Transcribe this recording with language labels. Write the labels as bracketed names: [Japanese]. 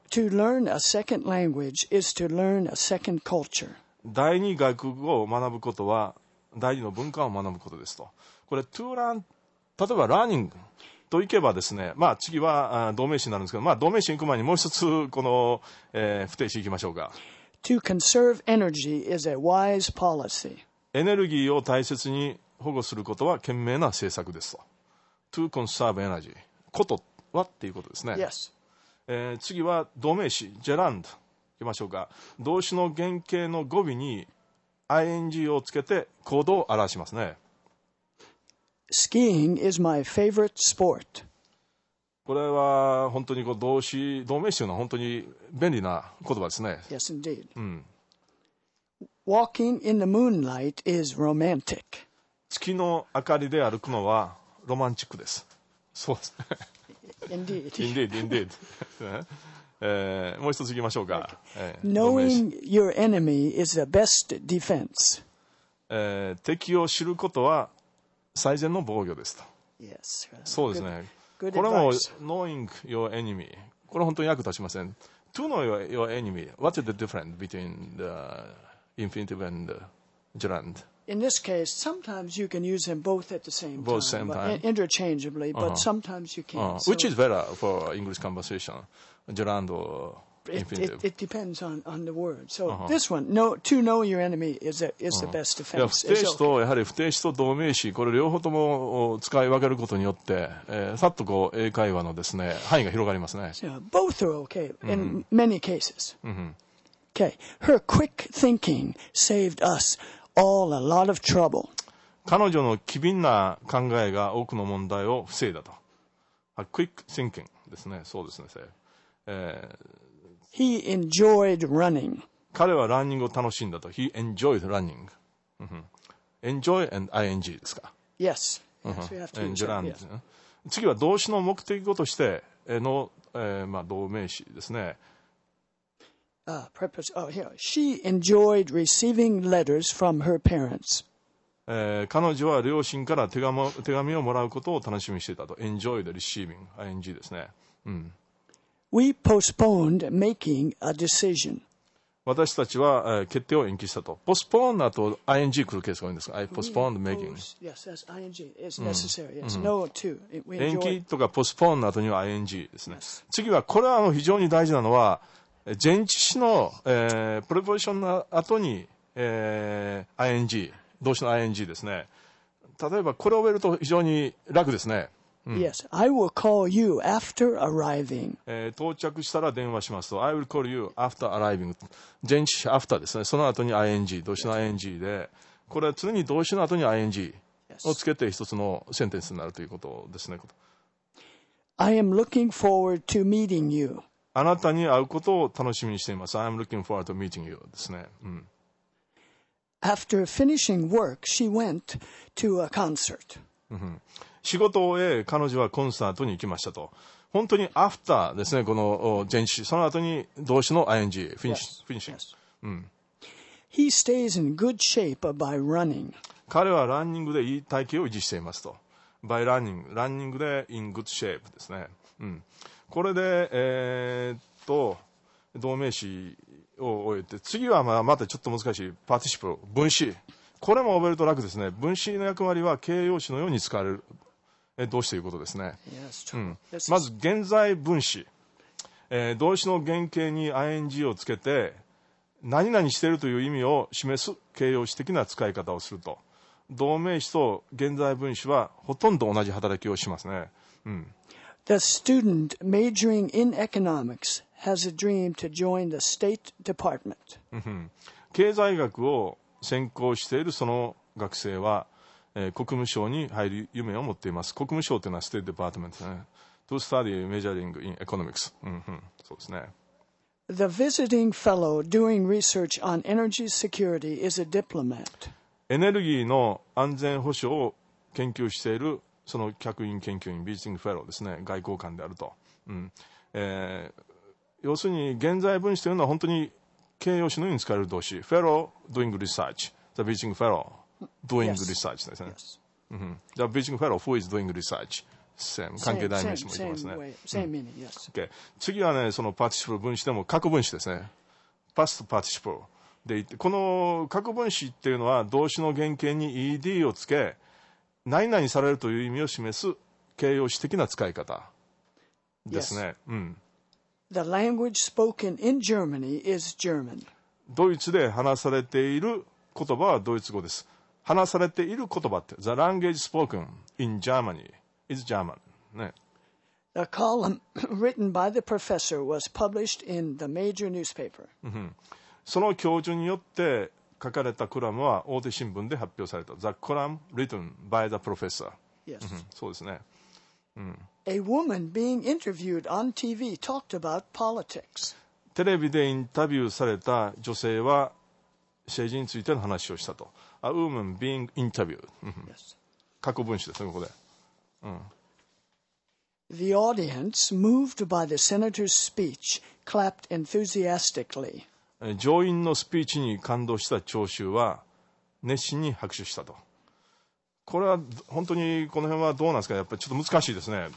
[English] To learn a second language is to learn a second culture. [Japanese] 第二外国語を学ぶことは第二の文化を学ぶことですと。これ [English] to learn、 [Japanese] 例えば learning といけばですね。まあ次は動名詞になるんですけど、まあ動名詞行く前にもう一つこの、不定詞行きましょうか。 [English] To conserve energy is a wise policy. [Japanese] エネルギーを大切に保護することは賢明な政策ですと。 [English] To conserve energy. [Japanese] ことはっていうことですね。 [English] Yes. [Japanese] 次は動名詞、ジェランド。いきましょうか。動詞の原型の語尾に ing をつけて行動を表しますね。 [English] Skiing is my favorite sport. [Japanese] これは本当にこう動詞、動名詞というのは本当に便利な言葉ですね。 [English] Yes, indeed. [Japanese] うん。 [English] Walking in the moonlight is romantic. [Japanese] 月の明かりで歩くのはロマンチックです。そうですね。 [English] Indeed. Indeed, indeed. [Japanese] もう一ついきましょうか。 [English] Knowing your enemy is the best defense. [Japanese] 敵を知ることは最善の防御ですと。 [English] Yes. [Japanese] そうですね。 [English] Good. [Japanese] これも [English] knowing your enemy、 [Japanese] これ本当に役立ちません。 [English] To know your enemy、 What is the difference between the infinitive and the gerund? In this case, sometimes you can use them both at the same time, both same time. But interchangeably, but sometimes you can't. Which is better for English conversation, gerund or infinitive? It depends on the word. So this one, no, to know your enemy is the best defense. [Japanese] 不定詞とやはり不定詞と同名詞、これ両方とも使い分けることによって、さっとこう英会話のですね、範囲が広がりますね。 [English] So, both are okay in many cases. Mm-hmm. Okay, her quick thinking saved us all a lot of trouble. [Japanese] 彼女の機敏な考えが多くの問題を防いだと。 [English] A quick thinking ですね。 [Japanese] そうですね。 [English] He enjoyed running. [Japanese] 彼はランニングを楽しんだと。 [English] He enjoyed running. Enjoy and ing ですか。 Yes. Yes, we have to use it. [Japanese] 次は動詞の目的語としての、まあ、動名詞ですね。 [English] Purpose. Oh, here. She enjoyed receiving letters from her parents. [Japanese] 彼女は両親から手紙をもらうことを楽しみにしていたと。 [English] Enjoyed receiving. Ing ですね。 We postponed making a decision. [Japanese] 私たちは、決定を延期したと。Postpone だと ing 来るケースが多いんですが、 [English] I postponed making. Yes, that's ing. It's necessary. It's no to. [Japanese] 延期とか postpone だとには ing ですね。 [English] Yes. [Japanese] 次は、これは非常に大事なのは、前置詞の、preposition の後に、ing、動詞の ing ですね。例えば、これを覚えると非常に楽ですね。 [English] Yes, I will call you after arriving. [Japanese] 到着したら電話しますと。 [English] I will call you after arriving. [Japanese] 前置詞 after ですね。その後に ing、動詞の ing で。これは常に動詞の後に ing をつけて一つのセンテンスになるということですね。 [English] I am looking forward to meeting you. [Japanese] あなたに会うことを楽しみにしています。 [English] I am looking forward to meeting you ですね。 After finishing work, she went to a concert. [Japanese] 仕事を終え、彼女はコンサートに行きましたと。本当にアフターですね、この前置詞、その後に動詞の ing、フィニッシュ。 [English] Yes. うん。 He stays in good shape by running. [Japanese] 彼はランニングでいい体型を維持していますと。 [English] by running、 [Japanese] ランニングで [English] in good shape [Japanese] ですね。うん。これで、動名詞を終えて、次は またちょっと難しい、パーティシプル、分詞。これも覚えると楽ですね。分詞の役割は形容詞のように使われる。動詞ということですね。うん、まず現在分詞、動詞の原型に ing をつけて何々しているという意味を示す形容詞的な使い方をすると、動名詞と現在分詞はほとんど同じ働きをしますね。うん、 [English] The student majoring in economics has a dream to join the state department. [Japanese] 経済学を専攻しているその学生は国務省に入る夢を持っています。国務省というのはステートデパートメントですね。 [English] To study majoring in economics、 [Japanese] うんうん、そうですね。 [English] The visiting fellow doing research on energy security is a diplomat. [Japanese] エネルギーの安全保障を研究しているその客員研究員、 visiting fellow ですね、外交官であると、うん、要するに現在分詞というのは本当に形容詞のように使える動詞、 [English] fellow doing research, the visiting fellowDoing research [Japanese] ですね。 [English] The visiting fellow who is doing research. Same. [Japanese] 関係代名詞も言ってますね。 [English] Same meaning, yes. [Japanese] 次はね、そのパーティシプル分詞でも過去分詞ですね。 Past participle で言って、この過去分詞っていうのは動詞の原型に ed をつけ、何々されるという意味を示す形容詞的な使い方ですね。 [English] Yes. うん、The language spoken in Germany is German. [Japanese] ドイツで話されている言葉はドイツ語です。話されている言葉って、 [English] The language spoken in Germany is German.、ね、 the column written by the professor was published in the major newspaper. [Japanese] その教授によって書かれたコラムは大手新聞で発表された。 [English] The column written by the professor. Yes. [Japanese] そうですね。うん、 [English] A woman being interviewed on TV talked about politics. [Japanese] テレビでインタビューされた女性は政治についての話をしたと。 [English] A woman being interviewed. [Japanese] 過去分詞ですね、ここで。うん、 [English] the audience, moved by the senator's speech, clapped enthusiastically. [Japanese] 上院のスピーチに感動した聴衆は熱心に拍手したと。これは本当にこの辺はどうなんですか、やっぱりちょっと難しいですね。